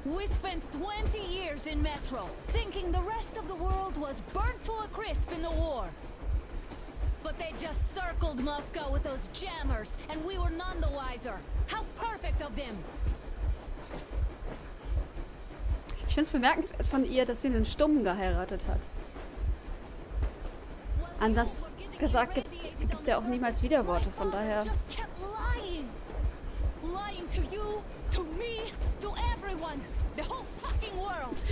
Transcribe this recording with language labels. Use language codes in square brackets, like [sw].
[en] We spent 20 years in Metro, thinking the rest of the world was burnt to a crisp in the war. But they just circled Moscow with those jammers, and we were none the wiser. How perfect of them! [de] Ich find's bemerkenswert von ihr, dass sie einen Stummen geheiratet hat. Anders gesagt, gibt's ja auch niemals Widerworte, von daher. [en] Lying to you, to me, to everyone, the whole fucking world.